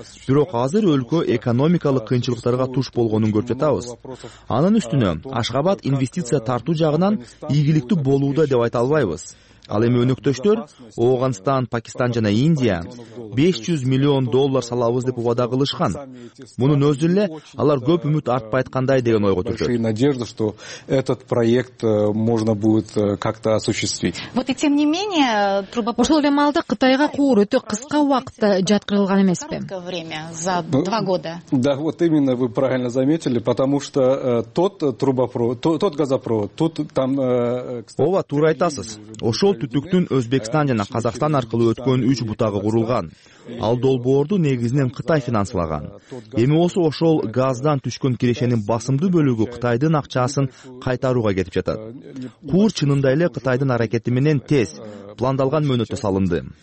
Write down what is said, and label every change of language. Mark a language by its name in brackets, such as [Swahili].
[Kyrgyz] Бирок азыр өлкө экономикалык кыйынчылыктарга туш болгонун көрүп жатабыз. Анын үстүнө Ашхабад инвестиция тартуу жагынан ийгиликтүү болууда деп айта албайбыз. Ал эми өнөктөштөр Ооганстан, Пакистан жана Индия 500 миллион доллар салабыз деп убада кылышкан. Мунун өзү эле алар көп үмүт артпайткандай деген ойго түшөт. [Russian] Большие надежды, что этот проект можно будет как-то осуществить. Вот и тем не менее, трубопровод. [Kyrgyz] Ошол эле маалда Кытайга куур өтө кыска убакытта жаткырылган эмеспи? [Russian] Короткое время, за 2 года. Да, вот именно вы правильно заметили, потому что тот трубопровод, тот газопровод, тут там, [Kyrgyz] кстати. Ова туура айтасыз. Ошол түтүктүн Өзбекстан жана Казакстан аркылуу өткөн 3 бутагы курулган. Ал долбоорду негизинен Кытай финансылаган. Эми болсо ошол газдан түшкөн кирешенин басымдуу бөлүгү Кытайдын акчасын кайтарууга кетип жатат. Куур чынында эле Кытайдын аракети менен тез пландалган мөөнөттө салынды.